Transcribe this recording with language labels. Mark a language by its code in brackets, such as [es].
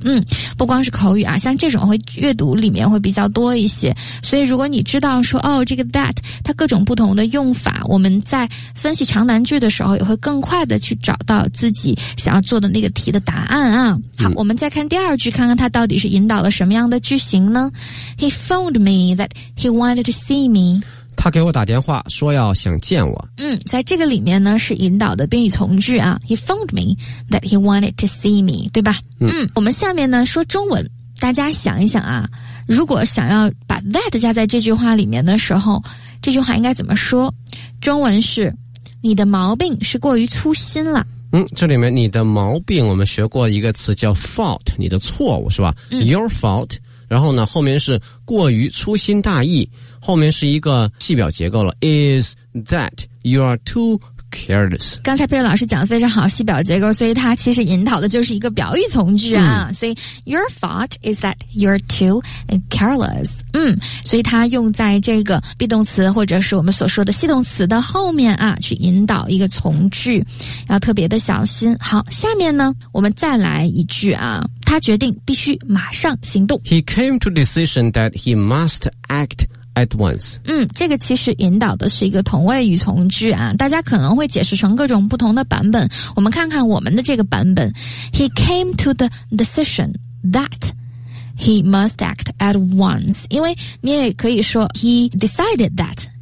[zh] 嗯，不光是口语啊，像这种会阅读里面会比较多一些。所以如果你知道说，哦，这个 that 它各种不同的用法，我们在分析长难句的时候也会更快的去找到自己想要做的那个题的答案啊。好，我们再看第二句，看看他到底是引导了什么样的句型呢？ [en] He phoned me that he wanted to see me。 [zh] 他给我打电话说要想见我。嗯，在这个里面呢是引导的宾语从句啊， [en] He phoned me that he wanted to see me， [zh] 对吧？嗯，我们下面呢说中文，大家想一想啊，如果想要把 that 加在这句话里面的时候，这句话应该怎么说？中文是你的毛病是过于粗心了。嗯，这里面你的毛病我们学过一个词叫 fault， 你的错误是吧？嗯， [en] your fault， [zh] 然后呢后面是过于粗心大意，后面是一个系表结构了， [en] is that you are too careless。 [zh] 刚才佩佩老师讲的非常好，系表结构，所以它其实引导的就是一个表语从句啊。嗯，所以 [en] your fault is that you're too careless。 [zh] 嗯，所以它用在这个 be 动词或者是我们所说的系动词的后面啊，去引导一个从句，要特别的小心。好，下面呢我们再来一句啊，他决定必须马上行动。 [en] He came to decision that he must actAt once。 [zh] 嗯，这个其实引导的是一个同位语从句啊，大家可能会解释成各种不同的版本，我们看看我们的这个版本。 [en] He came to the decision that he must act at once， [zh] 因为你也可以说 [en] he decided that